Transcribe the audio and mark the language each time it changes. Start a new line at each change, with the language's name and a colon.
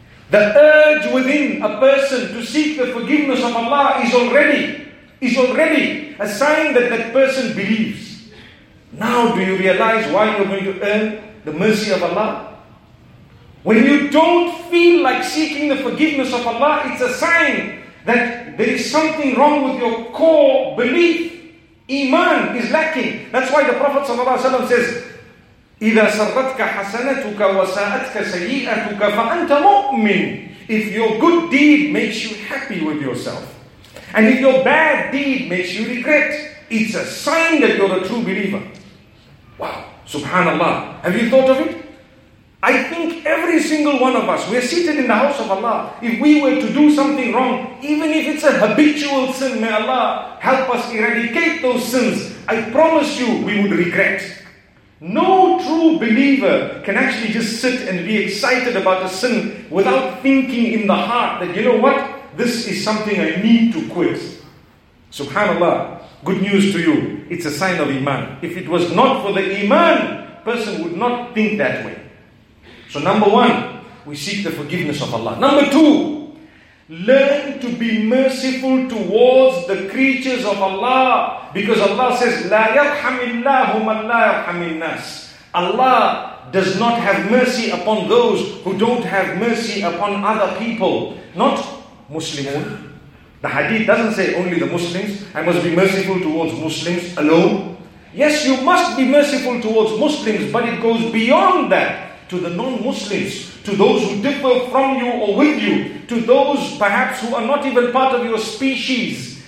English: The urge within a person to seek the forgiveness of Allah is already a sign that that person believes. Now do you realize why you're going to earn the mercy of Allah? When you don't feel like seeking the forgiveness of Allah, it's a sign that there is something wrong with your core belief. Iman is lacking. That's why the Prophet ﷺ says,
Arabic: إِذَا سَرَّتْكَ حَسَنَتُكَ وَسَاءَتْكَ سَيِّئَتُكَ فَأَنْتَ مُؤْمِنٌ.
English: If your good deed makes you happy with yourself, and if your bad deed makes you regret, it's a sign that you're a true believer. Wow, subhanAllah. Have you thought of it? I think every single one of us, we're seated in the house of Allah. If we were to do something wrong, even if it's a habitual sin, may Allah help us eradicate those sins. I promise you, we would regret. No true believer can actually just sit and be excited about a sin without thinking in the heart that, you know what? This is something I need to quit. SubhanAllah, good news to you. It's a sign of Iman. If it was not for the Iman, person would not think that way. So number one, we seek the forgiveness of Allah. Number two, learn to be merciful towards the creatures of Allah. Because Allah says,
Arabic: لَا يَرْحَمِ اللَّهُ مَنْ لَا يَرْحَمِ النَّاسِ.
English: Allah does not have mercy upon those who don't have mercy upon other people. Not Muslimun. The hadith doesn't say only the Muslims. I must be merciful towards Muslims alone. Yes, you must be merciful towards Muslims, but it goes beyond that to the non-Muslims, to those who differ from you or with you, to those perhaps who are not even part of your species.